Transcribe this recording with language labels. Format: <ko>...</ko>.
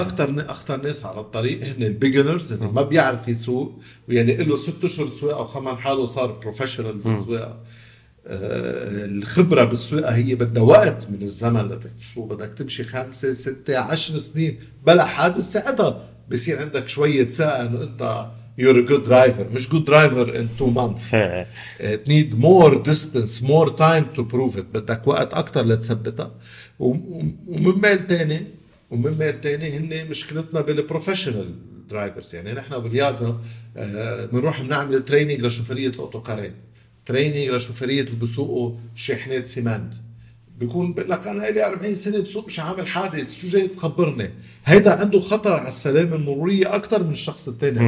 <ar>أكتر ناس على الطريق هن البيجنرز اللي ما بيعرف يسوق ويعني له 6 أشهر سواقة أو 5 حاله صار بروفيشنال بالسواقة. الخبرة بالسواقة هي بدها وقت من الزمن لتك تسوق. بدك تمشي 5-6-10 سنين بلا حادث ساعتها بصير عندك شوية ثقة إنه أنت</ar> <en>you're a good driver.</en> <ar>مش</ar> <en>good driver in 2 months. It need more distance, more time to prove it.</en> <ar>بدك وقت أكتر لتثبتها. ومن مال تاني هن مشكلتنا بالبروفيشنال درايفرز. يعني نحن بالياسة بنروح بنعمل تريننج لشوفرية الأوتوكارات، تريننج لشوفرية اللي بسوقوا شحنات سيمنت. بيكون بقول لك أنا إلي 40 سنة بسوق مش عامل حادث، شو جاي تخبرني؟ هيدا عنده خطر على السلامة المرورية أكتر من الشخص التاني.</ar>